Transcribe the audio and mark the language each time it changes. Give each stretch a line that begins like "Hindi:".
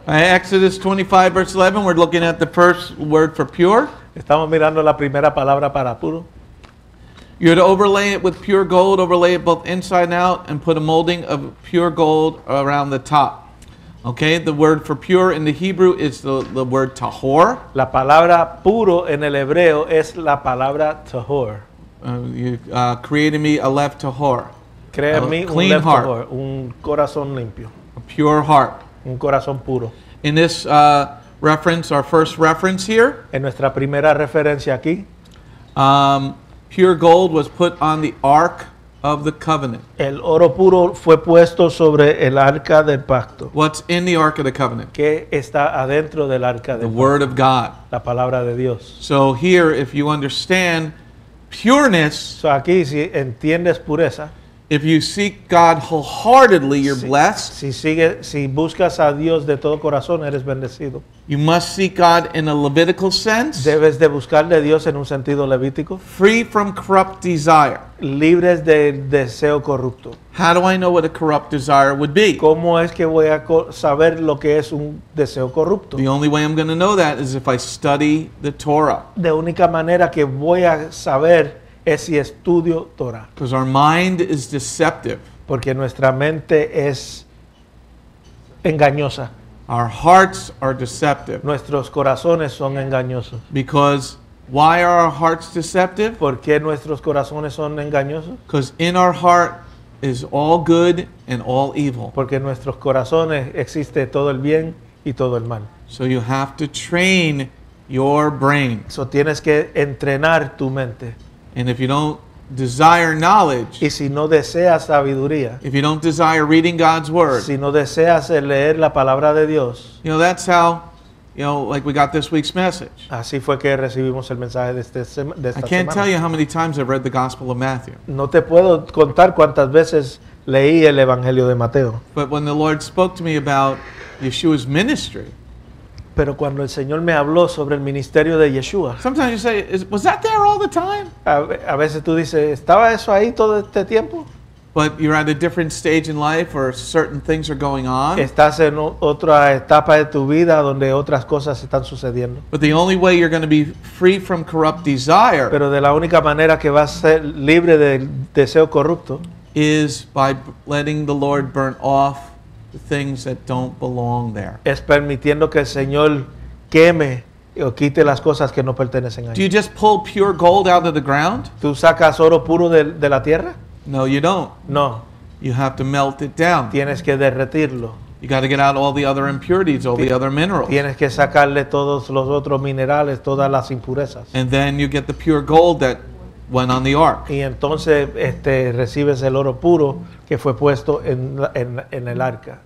English: Exodus 25, verse 11, we're looking at the first word for pure.
Spanish: Estamos mirando la primera palabra para puro.
English: You would overlay it with pure gold, overlay it both inside and out, and put a molding of pure gold around the top. Okay, the word for pure in the Hebrew is the word tahor.
Spanish: La palabra puro en el hebreo es la palabra tahor.
English: Created me a left tahor.
Spanish: Crea en mí un
English: left heart.
Spanish: Tahor, un corazón limpio.
English: A pure heart.
Spanish: Un corazón puro.
English: In this reference, our first reference here.
Spanish: En nuestra primera referencia aquí.
English: Pure gold was put on the ark of the covenant.
Spanish: El oro puro fue puesto sobre el arca del pacto.
English: What's in the ark of the covenant?
Spanish: ¿Qué está adentro del arca del
English: pacto? The word of God.
Spanish: La palabra de Dios.
English: So here, if you understand pureness,
Spanish: so aquí si entiendes pureza,
English: If you seek God wholeheartedly, you're blessed.
Spanish: Si buscas a Dios de todo corazón, eres bendecido.
English: You must seek God in a Levitical sense.
Spanish: Debes de buscarle a Dios en un sentido levítico.
English: Free from corrupt desire.
Spanish: Libres de deseo corrupto.
English: How do I know what a corrupt desire would be?
Spanish: ¿Cómo es que voy a saber lo que es un deseo corrupto?
English: The only way I'm going to know that is if I study the Torah.
Spanish: De única manera que voy a saber es si estudio Torah.
English: Because our mind is deceptive.
Spanish: Porque nuestra mente es engañosa.
English: Our hearts are deceptive.
Spanish: Nuestros corazones son engañosos.
English: Because why are our hearts deceptive?
Spanish: ¿Por qué nuestros corazones son engañosos?
English: Because in our heart is all good and all evil.
Spanish: Porque en nuestros corazones existe todo el bien y todo el mal.
English: So you have to train your brain.
Spanish: So tienes que entrenar tu mente.
English: And if you don't desire knowledge,
Spanish: y si no deseas sabiduría,
English: if you don't desire reading God's word,
Spanish: si no deseas leer la palabra de Dios,
English: you know, that's how, you know, like we got this week's message.
Spanish: Así fue que recibimos el mensaje de esta semana.
English: I can't tell you how many times I've read the Gospel of Matthew.
Spanish: No te puedo contar cuántas veces leí el Evangelio de Mateo.
English: But when the Lord spoke to me about Yeshua's ministry,
Spanish: pero cuando el Señor me habló sobre el ministerio de Yeshua.
English: Sometimes you say, was that there all the time?
Spanish: A veces tú dices, ¿estaba eso ahí todo este tiempo?
English: But you're at a different stage in life or certain things are going on.
Spanish: Estás en otra etapa de tu vida donde otras cosas están sucediendo.
English: But the only way you're going to be free from corrupt desire,
Spanish: pero de la única manera que vas a ser libre del deseo corrupto,
English: is by letting the Lord burn off things that don't belong there.
Spanish: Es permitiendo que el Señor queme o quite las cosas que no pertenecen ahí.
English: Do you just pull pure gold out of the ground?
Spanish: ¿Tú sacas oro puro de la tierra?
English: No, you don't.
Spanish: No.
English: You have to melt it down.
Spanish: Tienes que derretirlo.
English: You got to get out all the other impurities, all the other minerals.
Spanish: Tienes que sacarle todos los otros minerales, todas las impurezas.
English: And then you get the pure gold that went on the ark.
Spanish: Y entonces recibes el oro puro que fue puesto en el arca.